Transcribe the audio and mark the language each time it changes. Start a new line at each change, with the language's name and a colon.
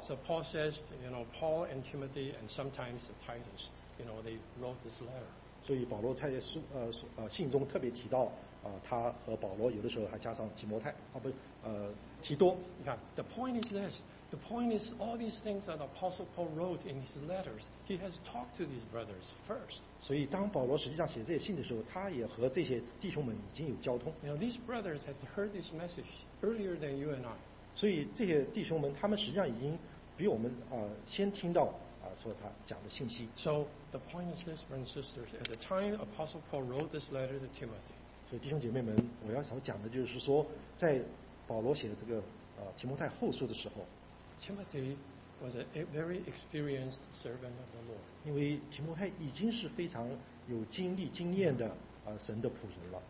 English: So Paul says, you know, Paul and Timothy and sometimes Titus, you know, they wrote this letter.
Chinese: 所以保罗在信中特别提到他和保罗有的时候还加上提摩太提多。
English: Yeah, the point is this. The point is all these things that Apostle Paul wrote in his letters, he has talked to these brothers first.
Chinese: 所以当保罗实际上写这些信的时候，他也和这些弟兄们已经有交通。
English: Now these brothers have heard this message earlier than you and I.
Chinese: 所以这些弟兄们他们实际上已经比我们先听到说他讲的信息。
English: So the point is this, brothers and sisters, at the time Apostle Paul wrote this letter to Timothy.
Chinese: 所以弟兄姐妹们，我要想讲的就是说，在保罗写的这个提摩太后书的时候。
English: Timothy was a very experienced servant of the Lord.
Chinese: 因为提摩太已经是非常有经历经验的神的仆人了。